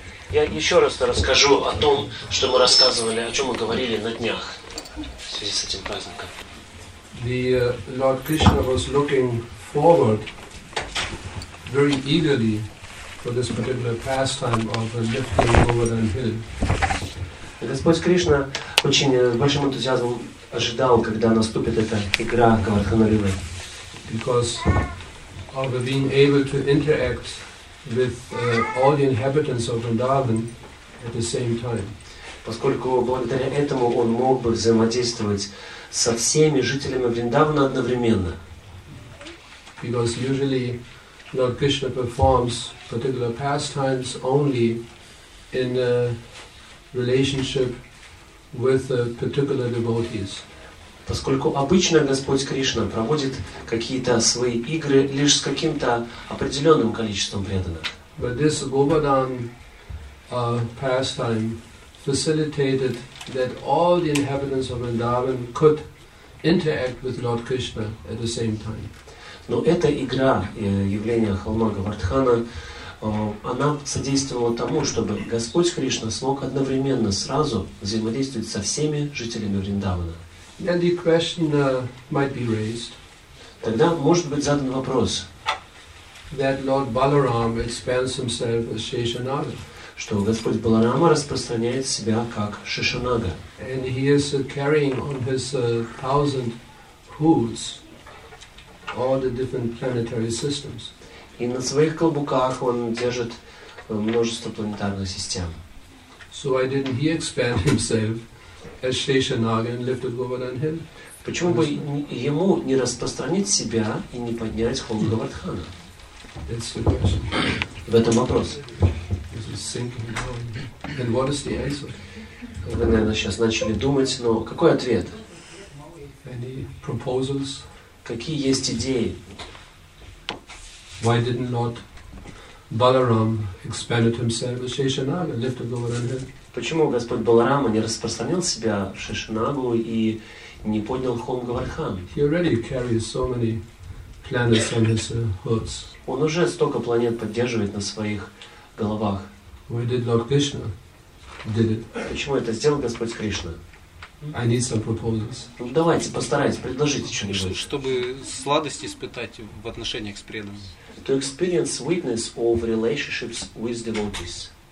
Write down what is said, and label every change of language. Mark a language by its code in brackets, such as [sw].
[ru] Я еще раз расскажу о том, что мы рассказывали, о чем мы говорили на днях в связи с этим праздником. [en] The Lord Krishna was looking forward very eagerly for this particular pastime of lifting Govardhan Hill. [ru] Господь Кришна очень большим энтузиазмом ожидал, когда наступит эта игра Говардханалилы. [en] Because of being able to interact with all the inhabitants of Vrindavan at the same time. [ru] Поскольку благодаря этому он мог бы взаимодействовать со всеми жителями Вриндавана одновременно. [en] Because usually Lord Krishna performs particular pastimes only in a relationship with particular devotees. [ru] Поскольку обычно Господь Кришна проводит какие-то свои игры лишь с каким-то определенным количеством преданных. [en] But this Govardhan pastime facilitated that all the inhabitants of Vrindavan could interact with Lord Krishna at the same time. [ru] Но эта игра явления холма Говардхана, она содействовала тому, чтобы Господь Кришна смог одновременно сразу взаимодействовать со всеми жителями Вриндавана. [en] Then the question might be raised. [ru] Тогда может быть задан вопрос. [en] That Lord Balaram expands himself as Sheshanaga. [ru] Что Господь Баларама распространяет себя как Шишанага. [en] And he is carrying on his thousand hooves all the different planetary systems. [ru] И на своих колбуках он держит множество планетарных систем. [en] So why didn't he expand himself as Sheshanaga and lifted Govardhan Hill? [ru] Почему бы ему не распространить себя и не поднять холм Говардхана? [en] That's the question. [ru] В этом вопрос. [en] This is sinking down. And what is the answer? [ru] Вы, наверное, сейчас начали думать, но какой ответ? [en] Any proposals? [ru] Какие есть идеи? [en] Why didn't Lord Balaram expand himself as Sheshanaga and lifted Govardhan Hill? [ru] Почему Господь Баларама не распространил себя в Шишанагу и не поднял холм Говардхан? [en] He already carries so many planets on his hoods. [ru] Он уже столько планет поддерживает на своих головах. [en] Why did Lord Krishna did it? [ru] Почему это сделал Господь Кришна? [en] I need some proposals. [ru] Ну, давайте, постарайтесь, предложите что-нибудь. Чтобы сладость испытать в отношениях с преданными. [en] To experience sweetness of relationships with devotees.